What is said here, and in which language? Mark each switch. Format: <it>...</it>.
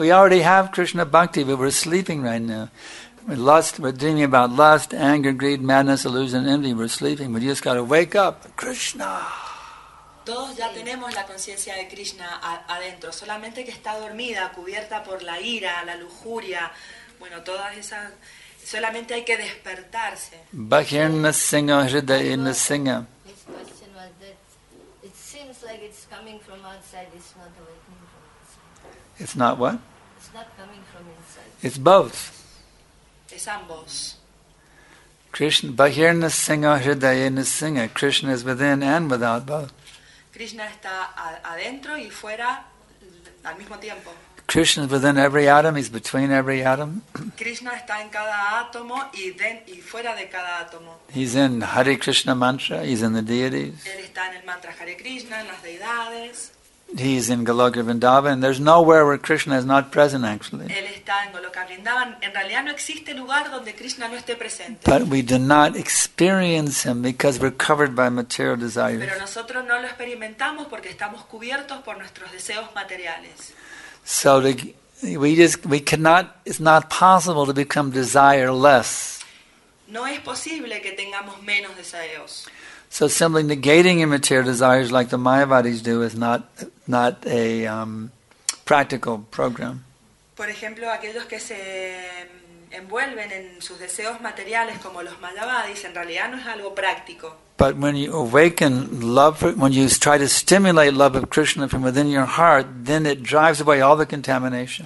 <en>We already have Krishna Bhakti, but we're sleeping right now. We're dreaming about lust, anger, greed, madness, illusion, envy. We're sleeping, but you just got to wake up, Krishna.</en> <es>Todos ya tenemos la conciencia de Krishna adentro, solamente que está dormida, cubierta por la ira, la lujuria, bueno, todas esas. Solamente hay que despertarse.</es> <sa>Bahir nasinga hrida in nasinga.</sa> <en>His question was that it seems like it's coming from outside. It's not awakening from inside. It's not what? It's not coming from inside. It's both.</en> <es>Ambos.</es> <en>Krishna,</en> <sa>Bahir Nasinga Hridaye Nasinga.</sa> <en>Krishna is within and without both.</en> <es>Krishna está adentro y fuera al mismo tiempo.</es> <en>Krishna is within every atom, he's between every atom.</en> <es>Krishna está en cada átomo y fuera de cada átomo.</es> <en>He's in Hare Krishna mantra, he's in the deities.</en> <es>Él está en el mantra Hare Krishna, en las deidades.</es> <en>He's in Goloka Vrindavan, and there's nowhere where Krishna is not present, actually.</en> <es>Él está en Goloka Vrindavan. En realidad no existe lugar donde Krishna no esté presente.</es> <en>But we do not experience him because we're covered by material desires.</en> <es>Pero nosotros no lo experimentamos porque estamos cubiertos por nuestros deseos materiales.</es> <en>So we cannot. It's not possible to become desireless.</en> <es>No es posible que tengamos menos deseos.</es> <en>So simply negating your material desires like the Mayavadis do is not a practical program.</en> <es>Por ejemplo, aquellos que se envuelven en sus deseos materiales como los Mayavadis, en realidad no es algo práctico.</es> <en>But when you awaken love, when you try to stimulate love of Krishna from within your heart, then it drives away all the contamination.</en>